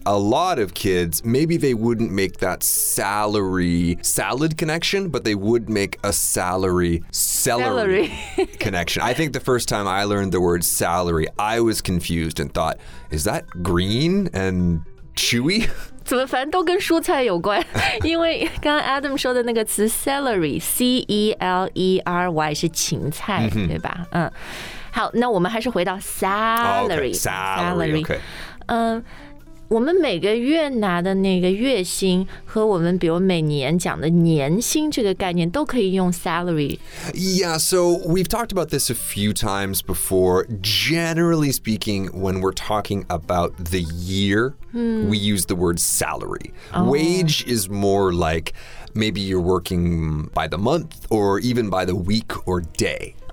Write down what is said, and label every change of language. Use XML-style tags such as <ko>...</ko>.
<en>A lot of kids, maybe they wouldn't make that salary salad connection, but they would make a salary celery. Connection. I think the first time I learned the word salary, I was confused and thought, is that green and chewy?</en> <zh>怎么反正都跟蔬菜有关？因为刚刚 Adam 说的那个词 celery, C-E-L-E-R-Y 是芹菜，对吧？好，那我们还是回到 salary.</zh> <en>Oh, okay. Salary. Okay.</en> <zh>我们每个月拿的那个月薪和我们比如每年讲的年薪这个概念都可以用 salary.</zh> <en>Yeah, so we've talked about this a few times before. Generally speaking, when we're talking about the year, we use the word salary. Wage is more like maybe you're working by the month or even by the week or day.</en>